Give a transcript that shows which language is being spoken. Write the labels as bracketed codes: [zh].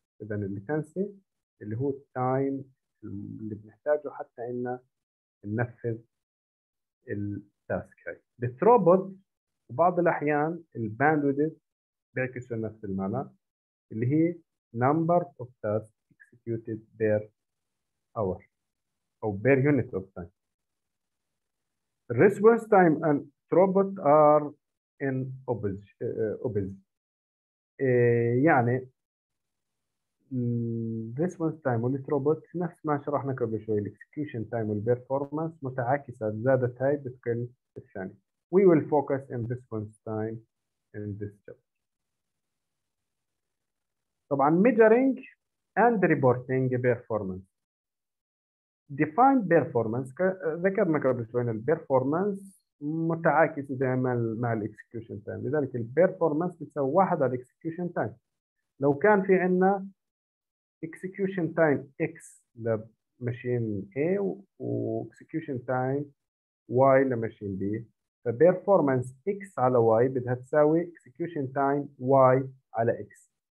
[ar] إذا latency اللي هو time اللي بنحتاجه حتى إنه ننفذ التاسك هاي. The throughput وبعض الأحيان ال bandwidth بيعكسوا نفس المعنى اللي هي [en] number of tasks. Executed per hour or per unit of time. Response time and throughput are in opposite. [ar] يعني [en] response time and throughput [ar] نفس ما شرحنا قبل شوي. [en] Execution time and performance [ar] متعاكسة، زادت هاي بتقل الثانية. [en] We will focus in response time in this chapter. طبعا measuring and reporting performance. [ar] ديفاين بيرفورمانس، ذكرنا قبل شوي البيرفورمانس متعاكس دائما مع الاكسكيوشن تايم، لذلك البيرفورمانس بتساوي واحد على الاكسكيوشن تايم. لو كان في عندنا اكسكيوشن تايم اكس لماشين اي واكسكيوشن تايم واي لماشين بي، فبيرفورمانس اكس على واي بدها تساوي اكسكيوشن تايم واي على اكس.